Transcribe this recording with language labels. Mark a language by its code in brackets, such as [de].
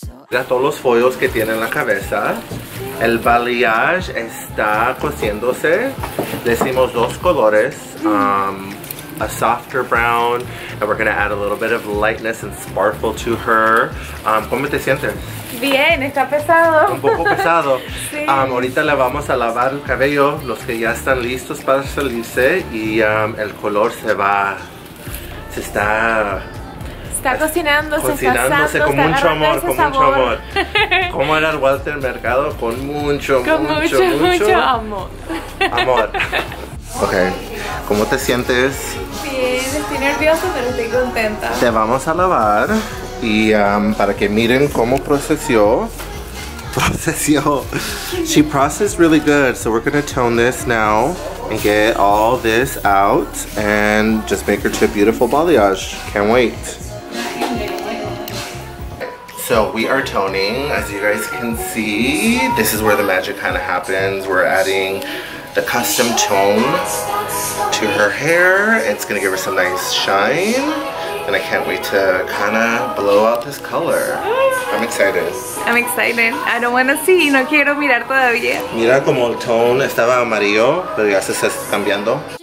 [es] Ya todos los follos que tiene en la cabeza, el balayage está cociéndose. Le hicimos dos colores, [en] a softer brown, and we're gonna add a little bit of lightness and sparkle to her. [es] ¿Cómo te sientes? Bien, está pesado. Un poco pesado. Sí. Ahorita le vamos a lavar el cabello, los que ya están listos para salirse, y el color se está Está cocinando, se está asando, con mucho amor, con mucho amor. ¿Cómo era el Walter Mercado? Con mucho, con mucho, mucho, mucho amor. Ok, ¿cómo te sientes? Bien, estoy nerviosa, pero estoy contenta. Te vamos a lavar y para que miren cómo procesó. Procesó. [en] She processed really good, so we're going to tone this now and get all this out and just make her to a beautiful balayage. Can't wait. So we are toning, as you guys can see, this is where the magic kind of happens. We're adding the custom tone to her hair. It's gonna give her some nice shine, and I can't wait to kind of blow out this color. I'm excited. I don't want to see, [es] no quiero mirar todavía. Mira como el tone estaba amarillo, pero ya se está cambiando.